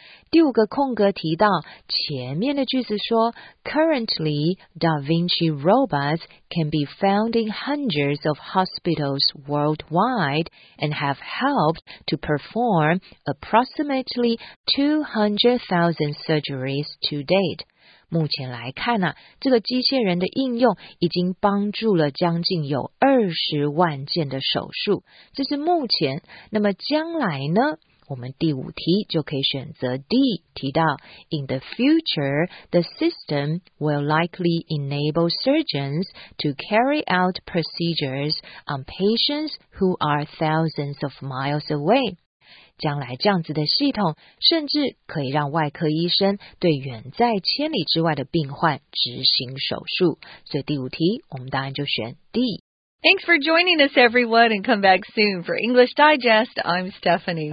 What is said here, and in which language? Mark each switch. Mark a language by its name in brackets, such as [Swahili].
[Chinese] 第五个空格提到前面的句子说 [English] Currently, Da Vinci robots can be found in hundreds of hospitals worldwide and have helped to perform approximately 200,000 surgeries to date. [Chinese] 目前来看啊，这个机械人的应用已经帮助了将近有200,000件的手术，这是目前。那么将来呢？我们第五题就可以选择 D， 提到 [English] In the future, the system will likely enable surgeons to carry out procedures on patients who are thousands of miles away. [Chinese] 将来这样子的系统甚至可以让外科医生对远在千里之外的病患执行手术。所以第五题我们答案就选 D。 [English] Thanks for joining us, everyone, and come back soon for English Digest. I'm Stephanie.